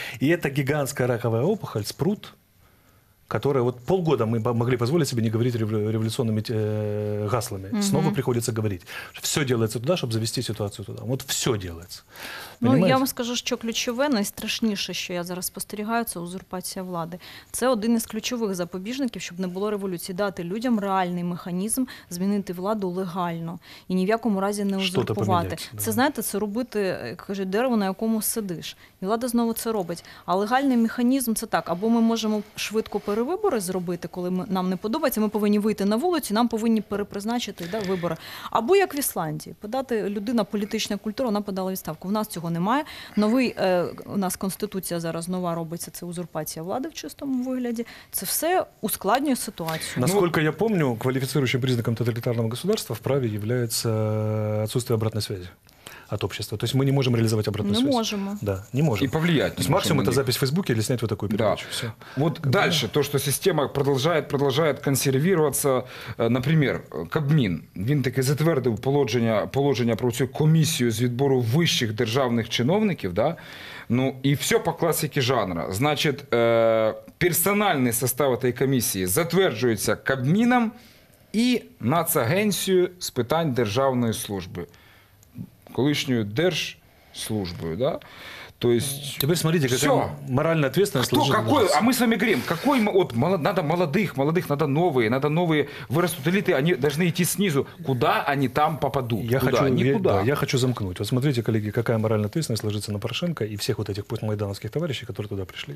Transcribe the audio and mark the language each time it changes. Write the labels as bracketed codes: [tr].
[ru] И это гигантская раковая опухоль, спрут, которая вот полгода мы могли позволить себе не говорить революционными гаслами. Угу. Снова приходится говорить. Все делается туда, чтобы завести ситуацию туда. Вот все делается. [uk] Ну, я вам скажу, що ключове, найстрашніше, що я зараз спостерігаю, це узурпація влади. Це один із ключових запобіжників, щоб не було революції, дати людям реальний механізм змінити владу легально і ні в якому разі не узурпувати. Це, знаєте, це робити, як кажу, дерево, на якому сидиш. І влада знову це робить. А легальний механізм – це так. Або ми можемо швидко перевибори зробити, коли нам не подобається, ми повинні вийти на вулицю, нам повинні перепризначити, да, вибори. Або як в Ісландії, подати людина, політична культура, вона подала відставку. В нас цього немає. Новий, у нас конституція зараз нова робиться, це узурпація влади в чистому вигляді. Це все ускладнює ситуацію. Наскільки я пам'ятаю, кваліфікуючим признаком тоталітарного государства в праві є відсутствие [ru] обратной связи от общества. То есть мы не можем реализовать обратную связь. Не можем. Да, не можем. И повлиять. То есть максимум это запись в Фейсбуке или снять вот такую передачу. Да. Вот как дальше, то, что система продолжает консервироваться. [uk] Например, Кабмин, він таки затвердив положення про цю комісію з відбору вищих державних чиновників, да? Ну, і все по класиці жанру. Значить, персональний состав цієї комісії затверджується Кабміном і Нацагенцією з питань державної служби. Колишньою держслужбою, да? [ru] То есть... Теперь смотрите, какая все. Морально ответственность служит. Какой? А мы с вами говорим, какой вот, надо молодых, надо новые вырастут элиты, они должны идти снизу. Куда они там попадут? Я хочу замкнуть. Вот смотрите, коллеги, какая моральная ответственность ложится на Порошенко и всех вот этих постмайдановских товарищей, которые туда пришли.